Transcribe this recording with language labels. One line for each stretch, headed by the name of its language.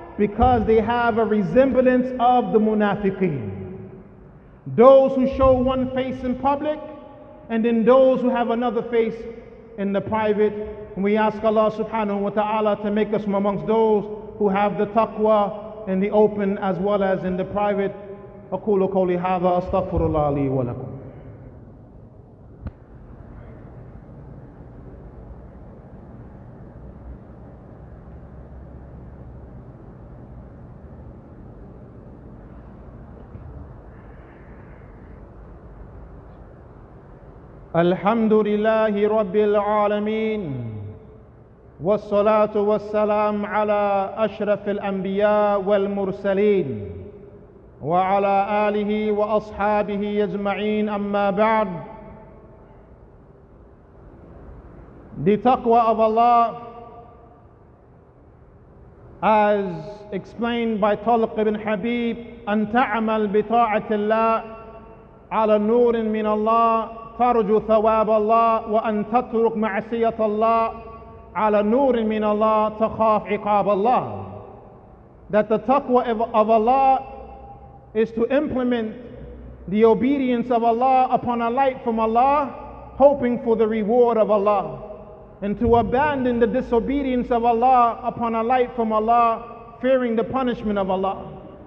English: Because they have a resemblance of the munafiqeen. Those who show one face in public, and then those who have another face in the private. And we ask Allah subhanahu wa ta'ala to make us from amongst those who have the taqwa in the open as well as in the private.
Arabic: أقول قولي هذا أستغفر الله لي ولكم. الحمد لله رب العالمين والصلاة والسلام على أشرف الأنبياء والمرسلين وعلى آله وأصحابه أجمعين. أما بعد,
English: the taqwa of Allah, as explained by Talq ibn Habib,
Arabic: أن تعمل بطاعة الله على نور من الله ترجو ثواب الله وأن تترك معصية الله على نور من الله تخاف عقاب الله.
English: That the taqwa of Allah is to implement the obedience of Allah upon a light from Allah, hoping for the reward of Allah, and to abandon the disobedience of Allah upon a light from Allah, fearing the punishment of Allah.